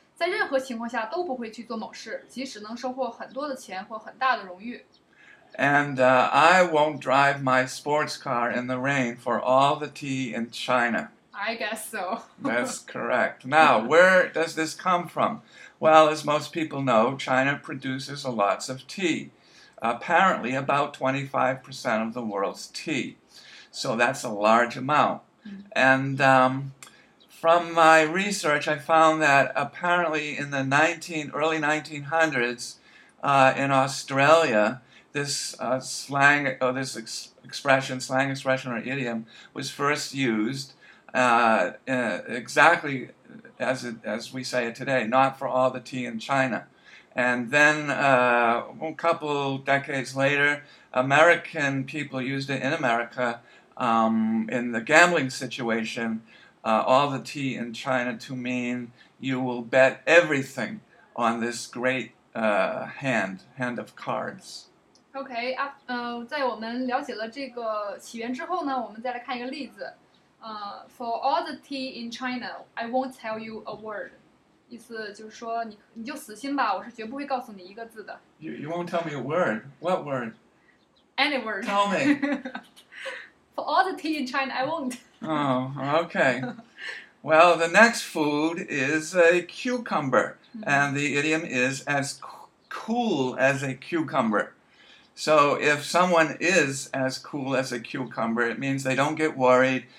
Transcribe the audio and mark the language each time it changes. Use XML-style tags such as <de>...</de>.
<zh>在任何情况下都不会去做某事，即使能收获很多的钱或很大的荣誉。</zh> <en>And I won't drive my sports car in the rain for all the tea in China. I guess so. That's correct. Now, where does this come from? Well, as most people know, China produces lots of tea. Apparently about 25% of the world's tea. So that's a large amount. And... from my research, I found that apparently in the early 1900s in Australia, this slang or this expression, slang expression or idiom, was first used exactly as we say it today, not for all the tea in China. And then a couple decades later, American people used it in America in the gambling situation. All the tea in China to mean you will bet everything on this great hand of cards.</en> <zh>Okay, 在我们了解了这个起源之后呢，我们再来看一个例子。</zh> <en>For all the tea in China, I won't tell you a word.</en> <zh>意思就是说你就死心吧，我是绝不会告诉你一个字的。</zh> <en>You won't tell me a word. What word? Any word. Tell me. For all the tea in China, I won't. Oh, okay. Well, the next food is a cucumber. And the idiom is as cool as a cucumber. So if someone is as cool as a cucumber, it means they don't get worried.</en>